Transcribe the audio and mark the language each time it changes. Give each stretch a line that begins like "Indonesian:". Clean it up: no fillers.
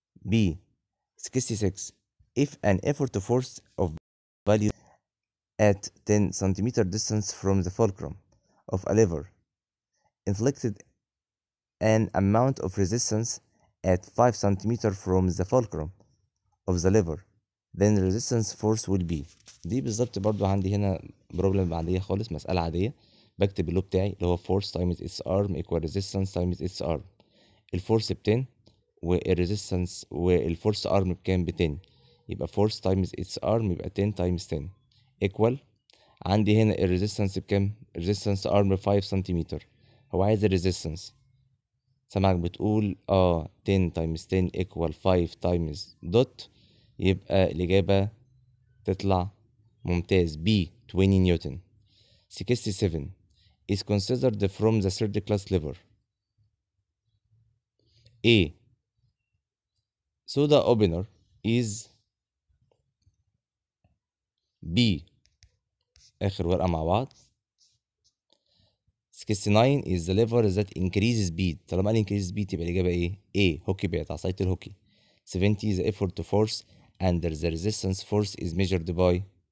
English: B 66 if an effort to force of value at 10 centimeter distance from the fulcrum of a lever inflicted an amount of resistance at 5 centimeter from the fulcrum of the lever then the resistance force will be.
Arabic: دي بالظبط برضو عندي هنا بروبلم عادية خالص مسألة عادية بكتب اللو بتاعي اللي هو
English: force times its arm equal resistance times its arm.
Arabic: الforce بتين والresistance والforce arm بكام بتين.
English: يبقى force times its arm يبقى 10 times 10 equal
Arabic: عندي هنا
English: ال resistance بكام؟ resistance arm 5 سنتيمتر.
Arabic: هو عايز ال resistance. سمعك بتقول
English: 10 times 10 equal 5 times dot
Arabic: يبقى الإجابة تطلع ممتاز B 20 نيوتن.
English: 67 is considered from the third class lever. A soda opener is
Arabic: بي آخر ورقة مع بعض.
English: 69 is the lever that increases speed.
Arabic: طالما قال
English: increase speed
Arabic: يبقى الإجابة إيه؟ A هوكي بيت عصاية الهوكي.
English: 70 is the effort to force and the resistance force is measured by.